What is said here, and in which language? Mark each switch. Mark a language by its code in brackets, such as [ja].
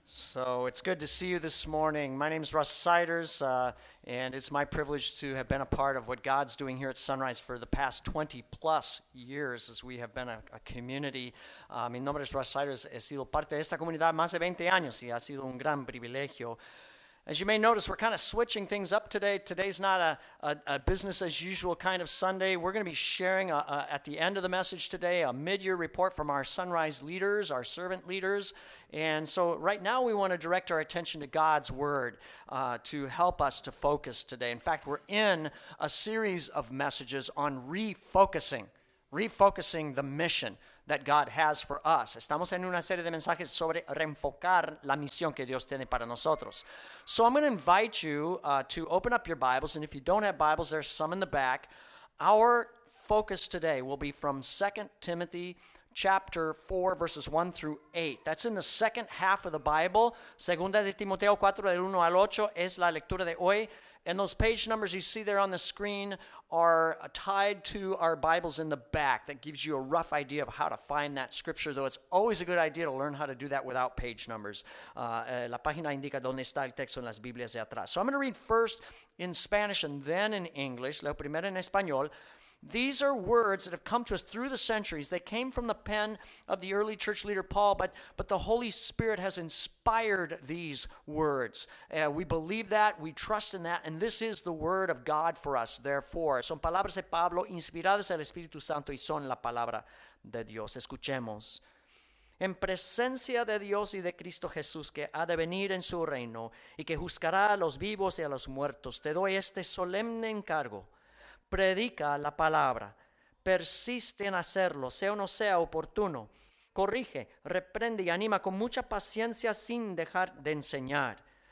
[en] So it's good to see you this morning. My name is Russ Siders, and it's my privilege to have been a part of what God's doing here at Sunrise for the past 20-plus years as we have been a community. [es] Mi nombre es Russ Siders. He sido parte de esta comunidad más de 20 años, y ha sido un gran privilegio. [en] As you may notice, we're kind of switching things up today. Today's not a business-as-usual kind of Sunday. We're going to be sharing at the end of the message today a mid-year report from our Sunrise leaders, our servant leaders. And so right now we want to direct our attention to God's Word to help us to focus today. In fact, we're in a series of messages on refocusing the mission that God has for us. [es] Estamos en una serie de mensajes sobre reenfocar la misión que Dios tiene para nosotros. [en] So I'm going to invite you to open up your Bibles, and if you don't have Bibles, there's some in the back. Our focus today will be from 2 Timothy chapter 4, verses 1 through 8. That's in the second half of the Bible. [es] Segunda de Timoteo 4, del 1 al 8, es la lectura de hoy. [en] And those page numbers you see there on the screen are tied to our Bibles in the back. That gives you a rough idea of how to find that scripture, though it's always a good idea to learn how to do that without page numbers. [es] La página indica dónde está el texto en las Biblias de atrás. [en] So I'm going to read first in Spanish and then in English. [es] Leo primero en español. [en] These are words that have come to us through the centuries. They came from the pen of the early church leader Paul, but the Holy Spirit has inspired these words. We believe that, we trust in that, and this is the word of God for us, therefore. [es] Son palabras de Pablo inspiradas al Espíritu Santo y son la palabra de Dios. Escuchemos. En presencia de Dios y de Cristo Jesús, que ha de venir en su reino y que juzgará a los vivos y a los muertos, te doy este solemne encargo. Predica la palabra, persiste en hacerlo, sea o no sea oportuno, corrige, reprende y anima con mucha paciencia sin dejar de enseñar.